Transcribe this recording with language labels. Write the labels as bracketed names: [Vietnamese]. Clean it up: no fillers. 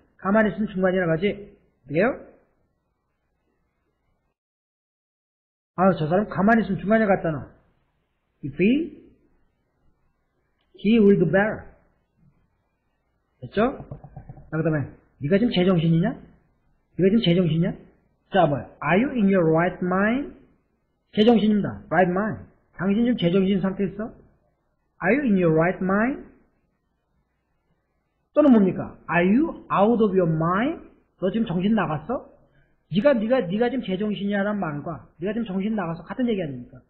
[Korean] 가만히 있으면 중간이나 가지. 어때요? 아, 저 사람 가만히 있으면 중간이나 갔잖아. [English] If he will do better. [Korean] 됐죠? 자, 그 다음에, 네가 지금 제정신이냐? 네가 지금 제정신이냐? 자, 뭐, [English] are you in your right mind? [Korean] 제정신입니다. [English] Right mind. [Korean] 당신 지금 제정신 상태 있어? [English] Are you in your right mind? [Korean] 또는 뭡니까? [English] Are you out of your mind? [Korean] 너 지금 정신 나갔어? 네가 지금 제정신이라는 말과 네가 지금 정신 나갔어 같은 얘기 아닙니까?